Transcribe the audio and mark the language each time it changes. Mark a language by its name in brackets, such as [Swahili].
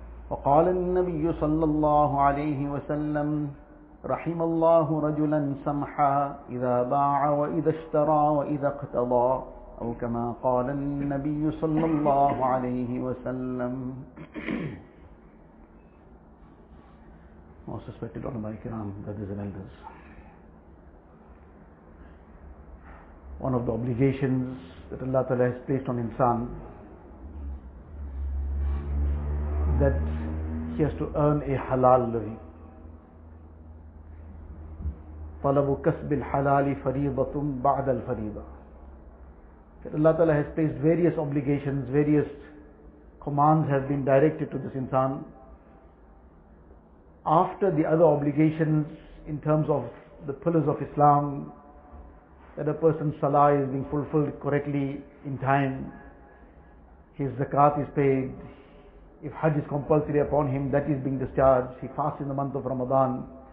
[Arabic] وقال النبي صلى الله عليه وسلم رحم الله رجلا سمحا إذا باع وإذا اشترى وإذا اقتضى أو كما قال النبي صلى الله عليه وسلم [English] Most respected honorable my kiram, brothers and elders. One of the obligations that Allah Ta'ala has placed on insan, that he has to earn a halal living. [Arabic] طلب كسب الحلال فريضة بعد الفريضة. [English] That Allah Ta'ala has placed various obligations, various commands have been directed to this insan after the other obligations in terms of the pillars of Islam, that a person's salah is being fulfilled correctly in time, his zakat is paid, if hajj is compulsory upon him, that is being discharged, he fasts in the month of Ramadan.